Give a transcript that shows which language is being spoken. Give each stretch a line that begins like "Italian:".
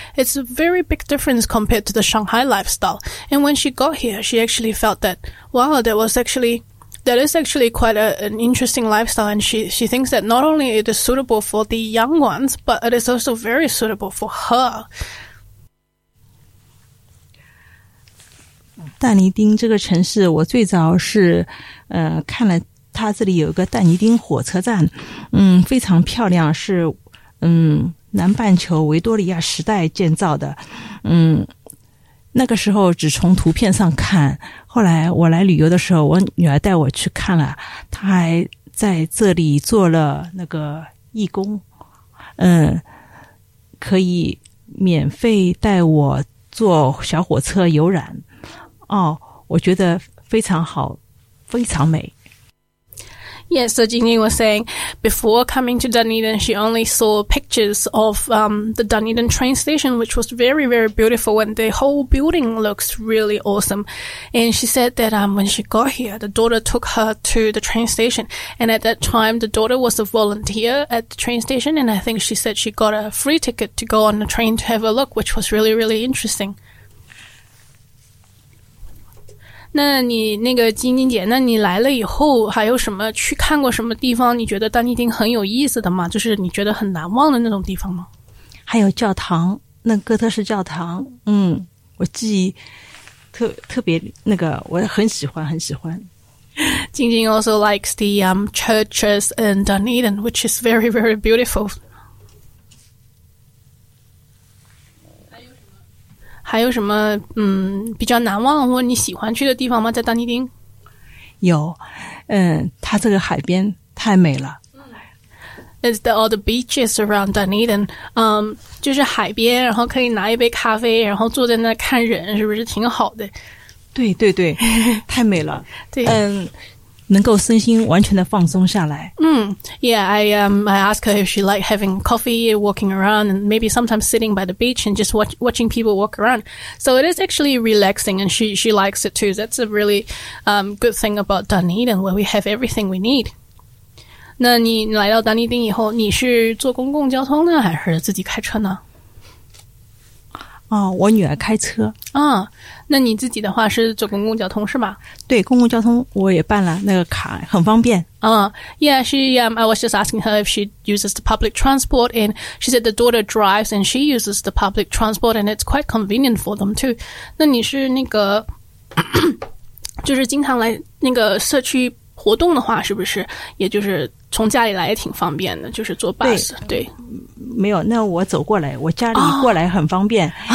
English: It's a very big difference compared to the Shanghai lifestyle. And when she got here, she actually felt that, wow, that was actuallythat is actually quite an interesting lifestyle, and she thinks that not only it is suitable for the young ones, but it is also very suitable for her.
Chinese: 但尼丁这个城市，我最早是看了它这里有个但尼丁火车站，非常漂亮，是南半球维多利亚时代建造的，那个时候只从图片上看，后来我来旅游的时候，我女儿带我去看了，她还在这里做了那个义工，可以免费带我坐小火车游览，哦，我觉得非常好，非常美。
English: Yes, so Jingjing was saying, before coming to Dunedin, she only saw pictures of the Dunedin train station, which was very, very beautiful, and the whole building looks really awesome. And she said that when she got here, the daughter took her to the train station. And at that time, the daughter was a volunteer at the train station, and I think she said she got a free ticket to go on the train to have a look, which was really, really interesting.
Chinese: 那你那个晶晶姐，那你来了以后还有什么去看过什么地方？你觉得丹尼丁很有意思的吗？就是你觉得很难忘的那种地方吗？还有教堂，那哥特式教堂，我记忆特别那个，我很喜欢，很喜欢。
English: 晶晶 also likes the churches in Dunedin, which is very very beautiful.
Chinese: 还有什么比较难忘或你喜欢去的地方吗？在丹尼丁有它这个海边太美了。
English: It's all the beaches around Dunedin.
Chinese: 就是海边，然后可以拿一杯咖啡，然后坐在那看人，是不是挺好的？对对对，太美了。对。能够身心完全的放松下来。
English: Yeah, I asked her if she liked having coffee, walking around, and maybe sometimes sitting by the beach and just watching people walk around. So it is actually relaxing, and she likes it too. That's a really good thing about Dunedin, where we have everything we need.
Chinese: 那你来到丹尼丁以后，你是坐公共交通呢，还是自己开车呢？哦，我女儿开车。啊，那你自己的话是坐公共交通是吧？对，公共交通我也办了那个卡，很方便。
English: Yeah, she, I was just asking her if she uses the public transport, and she said the daughter drives and she uses the public transport, and it's quite convenient for them too.
Chinese: 那你是那个，就是经常来那个社区活动的话，是不是也就是从家里来也挺方便的，就是坐 bus， 对。没有，那我走过来，我家里过来很方便。